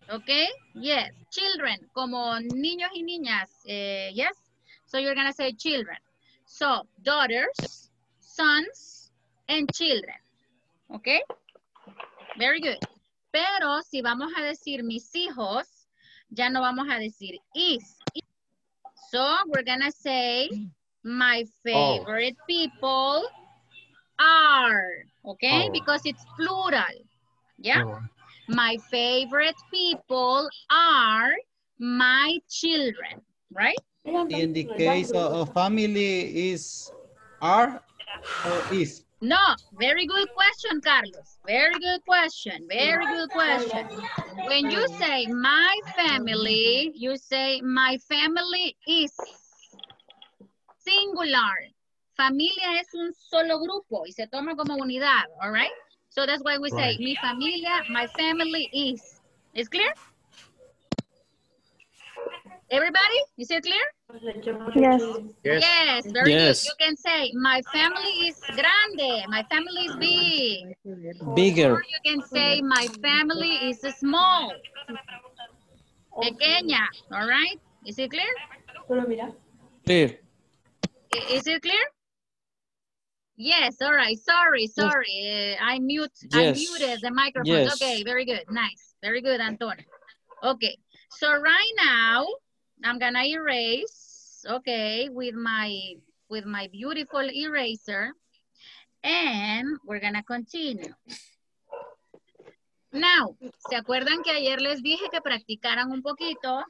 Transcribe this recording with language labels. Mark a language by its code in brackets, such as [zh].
[en] Okay? Yes, children. [es] Como niños y niñas. [en] Yes? So you're gonna say children. So, daughters, sons, and children. Okay? Very good. [es] Pero si vamos a decir mis hijos, ya no vamos a decir is. [en] So, we're gonna say my favorite people are. Okay? Oh. Because it's plural. Yeah? Oh. My favorite people are my children. Right? In the case of family is are or is? No. Very good question, Carlos. Very good question. Very good question. When you say my family, you say my family is singular. [es] Familia es un solo grupo y se toma como unidad, [en] all right? So that's why we say, [es] mi familia, [en] my family is. Is clear? Everybody, is it clear? Yes. Yes, very good. You can say, my family is grande, my family is big. Bigger. Or you can say, my family is small. Pequeña, all right? Is it clear? Clear. Is it clear? Yes, all right, sorry. I muted the microphone. Yes. Okay, very good, nice. Very good, Antonio. Okay, so right now, I'm gonna erase, okay, with my beautiful eraser, and we're gonna continue. [es] Now, ¿se acuerdan que ayer les dije que practicaran un poquito?